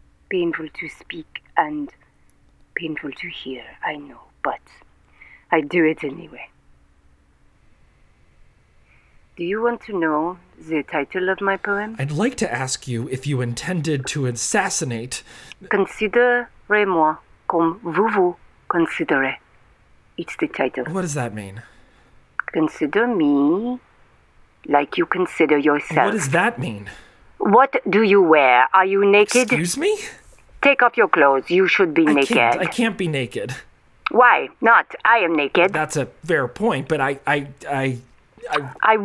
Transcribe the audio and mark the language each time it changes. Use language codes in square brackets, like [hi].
[en] Painful to speak and painful to hear, I know. But I do it anyway. Do you want to know the title of my poem? I'd like to ask you if you intended to assassinate... [fr] Considerez-moi comme vous vous considérez. [en] It's the title. What does that mean? Consider me like you consider yourself. What does that mean? What do you wear? Are you naked? Excuse me? Take off your clothes. You should be naked. I can't be naked. Why not? I am naked. That's a fair point, but I